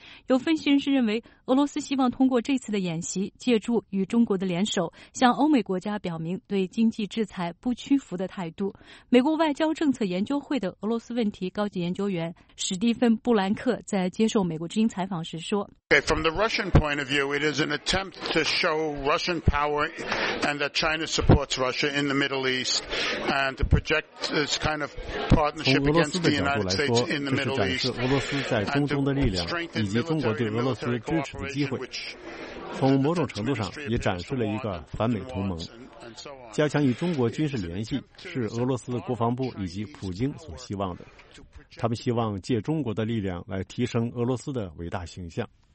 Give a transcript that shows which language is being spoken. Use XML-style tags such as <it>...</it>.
<zh>有分析人士认为，俄罗斯希望通过这次的演习，借助与中国的联手，向欧美国家表明对经济制裁不屈服的态度。美国外交政策研究会的俄罗斯问题高级研究员史蒂芬·布兰克在接受美国之音采访时说</zh> <en>From the Russian point of view, it is an attempt to show Russian power and that China supports Russia in the Middle East and to project this kind of partnership.</en> <zh>俄罗斯的角度来说，这是展示俄罗斯在中东的力量以及中国对俄罗斯支持的机会，从某种程度上也展示了一个反美同盟。加强与中国军事联系是俄罗斯国防部以及普京所希望的，他们希望借中国的力量来提升俄罗斯的伟大形象。</zh>